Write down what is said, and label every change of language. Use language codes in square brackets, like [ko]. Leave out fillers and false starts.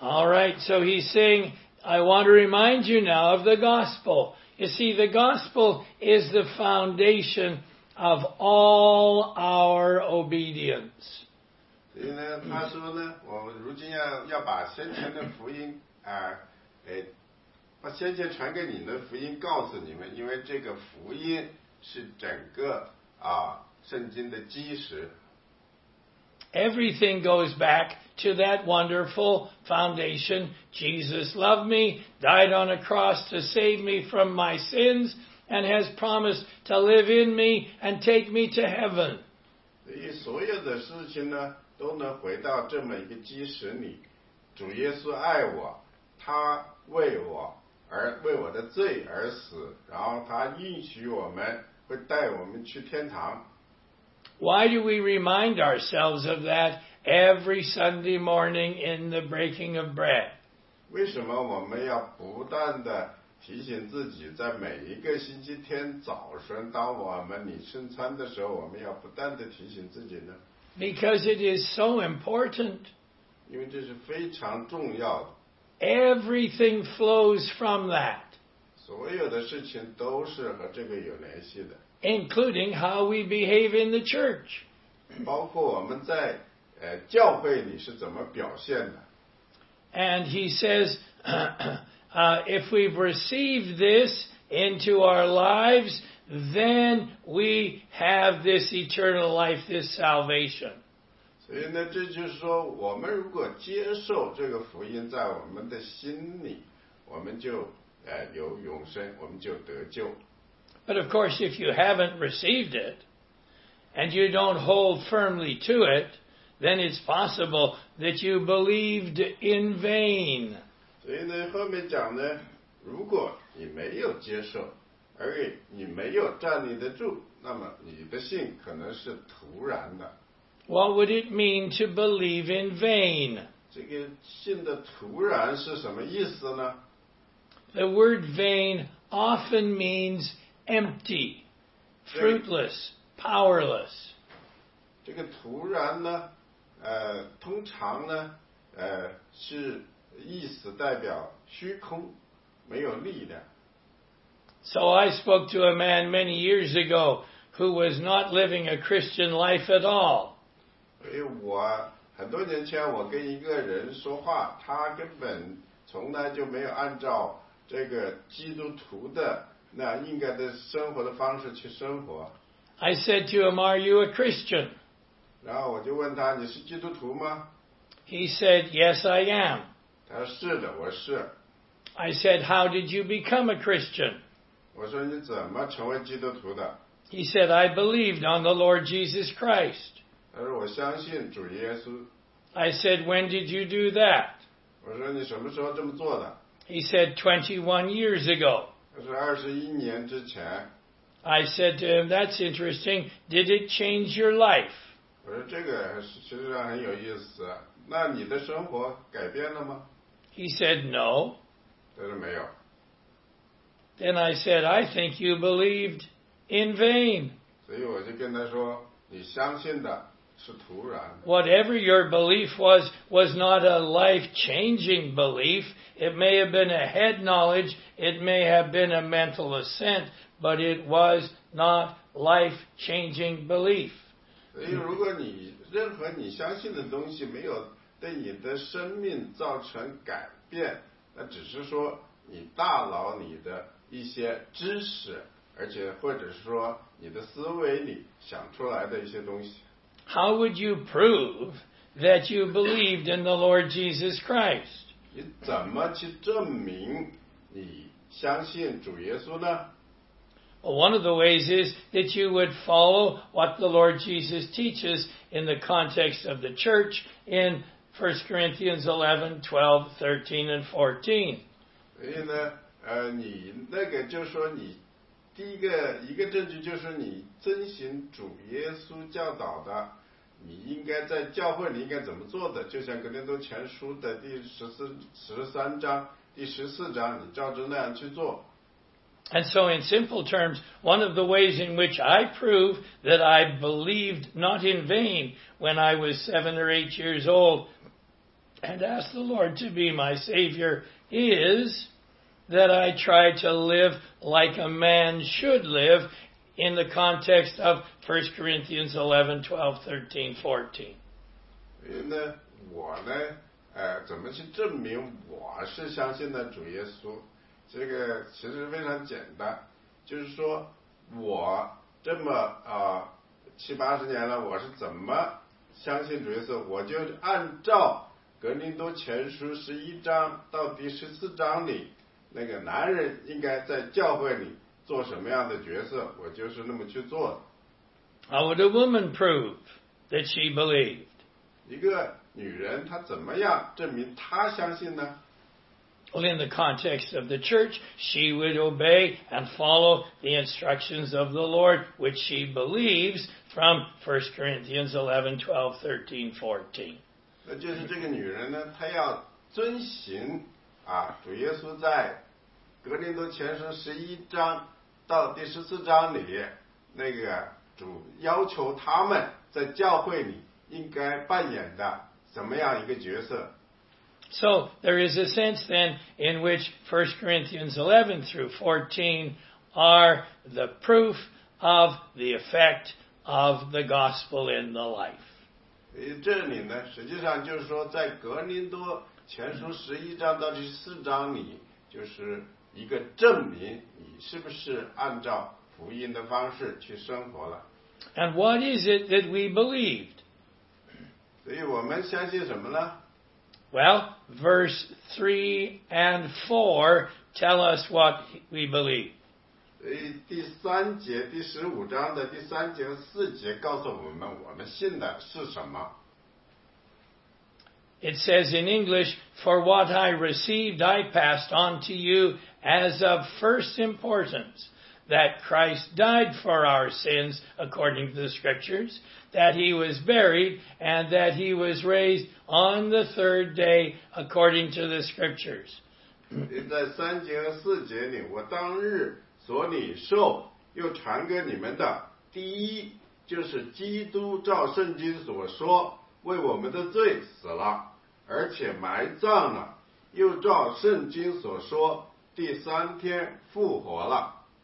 [en] All right, so he's saying, I want to remind you now of the gospel. You see, the gospel is the foundation of all our obedience. [zh] 所以呢，他说呢，我如今要把先前的福音把先前传给你的福音告诉你们，因为这个福音是整个圣经的基石。 [en] Everything goes back to that wonderful foundation. Jesus loved me, died on a cross to save me from my sins, and has promised to live in me and take me to heaven. [zh] 所以所有的事情呢，都能回到这么一个基石里。主耶稣爱我，他为我而为我的罪而死，然后他应许我们会带我们去天堂。 [en] Why do we remind ourselves of that every Sunday morning in the breaking of bread? [zh] 为什么我们要不断地提醒自己，在每一个星期天早晨，当我们领圣餐的时候，我们要不断地提醒自己呢？ [en] Because it is so important. [zh] 因为这是非常重要的。 [en] Everything flows from that. [zh] 所有的事情都是和这个有联系的。 [en] Including how we behave in the church. [zh] 包括我们在教会里是怎么表现的。 [en] And he says, if we've received this into our lives, then we have this eternal life, this salvation. [zh] 所以呢，这就是说，我们如果接受这个福音在我们的心里，我们就有永生，我们就得救。 [en] But of course, if you haven't received it, and you don't hold firmly to it, then it's possible that you believed in vain. [zh] 所以呢，后面讲呢，如果你没有接受，而你没有站立得住，那么你的信可能是徒然的。 [en] What would it mean to believe in vain? [zh] 这个信的徒然是什么意思呢？ [en] The word vain often means empty, fruitless, powerless. [zh] 这个徒然呢，通常呢，是意思代表虚空，没有力量。 [en] So I spoke to a man many years ago who was not living a Christian life at all. [zh] 所以我很多年前我跟一个人说话，他根本从来就没有按照这个基督徒的那应该的生活的方式去生活。 [en] I said to him, "Are you a Christian?" [zh] 然后我就问他，你是基督徒吗？ [en] He said, "Yes, I am." [zh] 他说是的，我是。 [en] I said, "How did you become a Christian?" [zh] 我说你怎么成为基督徒的？ [en] He said, "I believed on the Lord Jesus Christ." [zh] 他说我相信主耶稣。 [en] I said, "When did you do that?" [zh] 我说你什么时候这么做的？ [en] He said, 21 years ago." [zh] 是二十一年之前。 [en] I said to him, "That's interesting. Did it change your life?" [zh] 我说这个其实上很有意思。那你的生活改变了吗？ [en] He said no. [zh] 他说没有。 [en] Then I said, "I think you believed in vain." [zh] 所以我就跟他说，你相信的是徒然的。 [en] Whatever your belief was not a life-changing belief. It may have been a head knowledge, it may have been a mental assent, but it was not life-changing belief. [zh] 所以如果你任何你相信的东西没有对你的生命造成改变，那只是说你大脑里的一些知识，而且或者是说你的思维里想出来的一些东西。 [en] How would you prove that you believed in the Lord Jesus Christ? [zh] 你怎么去证明你相信主耶稣呢？ [en] Well, one of the ways is that you would follow what the Lord Jesus teaches in the context of the church in 1 Corinthians 11, 12, 13, and 14. [zh] 所以呢，你那个就说你第一个证据就是你遵循主耶稣教导的，你应该在教会你应该怎么做的，就像格林多前书的第十三章第十四章，你照着那样去做。 [en] And so in simple terms, one of the ways in which I prove that I believed not in vain when I was 7 or 8 years old and asked the Lord to be my Savior is that I try to live like a man should live in the context of 1 Corinthians 11, 12, 13, 14. [zh] 我呢，怎么去证明我是相信的主耶稣？这个其实非常简单，就是说我这么七八十年了，我是怎么相信主耶稣？我就按照格林多前书十一章到第十四章里那个男人应该在教会里做什么样的角色，我就是那么去做的。 [en] How would a woman prove that she believed? [zh] 一个女人她怎么样证明她相信呢？ [en] Well, in the context of the church, she would obey and follow the instructions of the Lord, which she believes from 1 Corinthians 11, 12, 13, 14. [zh] 那就是这个女人呢，她要遵循啊，主耶稣在格林多前书十一章到第十四章里那个主要求他们在教会里应该扮演的怎么样一个角色。 [en] So there is a sense then in which 1 Corinthians 11 through 14 are the proof of the effect of the gospel in the life. [zh] 这里呢，实际上就是说，在格林多前书十一章到第四章里，就是一个证明你是不是按照福音的方式去生活了。 [en] And what is it that we believed? [zh] 所以我们相信什么呢？ [en] Well, verse 3 and 4 tell us what we believe. [zh] 第三节，第十五章的第三节和四节告诉我们，我们信的是什么。 [en] It says in English, For what I received, I passed on to you as of first importance, that Christ died for our sins, according to the Scriptures, that he was buried, and that he was raised on the third day, according to the scriptures. [zh] 在三节和四节里，我当日所领受又传给你们的，第一就是基督照圣经所说，为我们的罪死了，而且埋葬了，又照圣经所说，第三天复活了。